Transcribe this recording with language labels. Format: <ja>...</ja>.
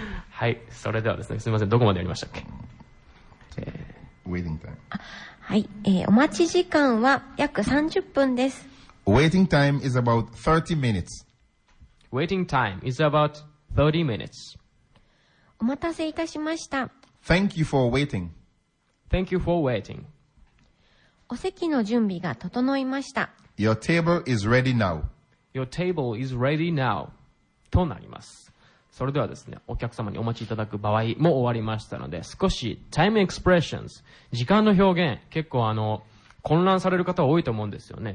<ja>はい、それではですね、すみません、どこまでやりましたっけ？</ja> <en>Waiting time.</en> <ja>はい、お待ち時間は約30分です。</ja> <en>Waiting time is about 30 minutes. Waiting time is about 30 minutes.</en> <ja>お待たせいたしました。</ja> <en>Thank you for waiting. Thank you for waiting.</en> <ja>お席の準備が整いました。</ja> <en>Your table is ready now. Your table is ready now.</en> <ja>となります。それではですね、お客様にお待ちいただく場合も終わりましたので、少し</ja> <en>time expressions、</en> <ja>時間の表現、結構混乱される方多いと思うんですよね。</ja>